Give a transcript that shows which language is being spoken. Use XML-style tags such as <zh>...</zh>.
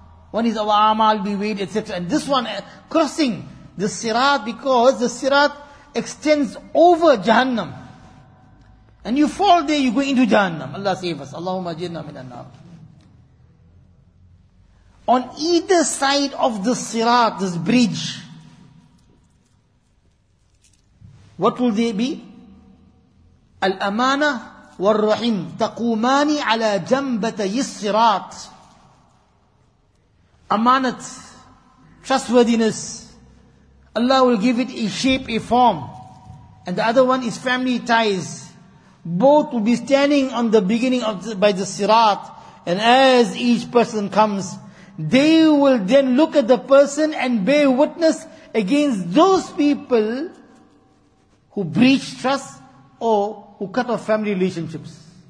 <en>One is our amal be weighed, etc. And this one, crossing the sirat, because the sirat extends over Jahannam. And you fall there, you go into Jahannam. Allah save us. Allahumma jinnah min an-nar. On either side of the sirat, this bridge, what will they be?</en> <ar>Al-amana والرحيم تقومان على جنبتي الصراط.</ar> <en>Amanat, trustworthiness. Allah will give it a shape, a form. And the other one is family ties. Both will be standing on the beginning of the, by the sirat. And as each person comes, they will then look at the person and bear witness against those people who breach trust or who cut off family relationships.</en>